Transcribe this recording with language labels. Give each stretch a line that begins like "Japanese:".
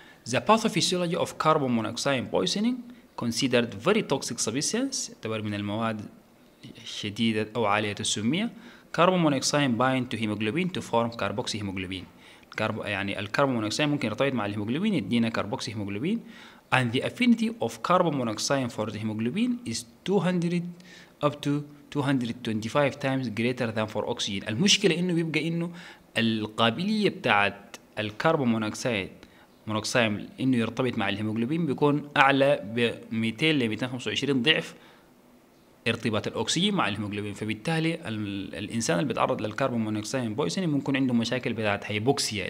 English: The pathophysiology of carbon monoxide poisoning considered very toxic substance،
Arabic: يعتبر من المواد شديدة أو عالية السمية.
English: Carbon monoxide bind to hemoglobin to form carboxy hemoglobin.
Arabic: يعني الكربون مونوكسيد ممكن يرتبط مع الهيموغلوبين يدينا كربوكسي هيموغلوبين.
English: And the affinity of carbon monoxide for the hemoglobin is 200 up to 225 times greater than for oxygen.
Arabic: المشكلة إنه بيبقى إنه القابلية بتاعت الكربون مونوكسيد مونوكسيم انه يرتبط مع الهيموغلوبين بيكون اعلى ب 200 ل 225 ضعف ارتباط الاكسجين مع الهيموغلوبين، فبالتالي الانسان اللي بيتعرض للكربون مونوكسيم بويسنينج ممكن عنده مشاكل بتاعت هيبوكسيا.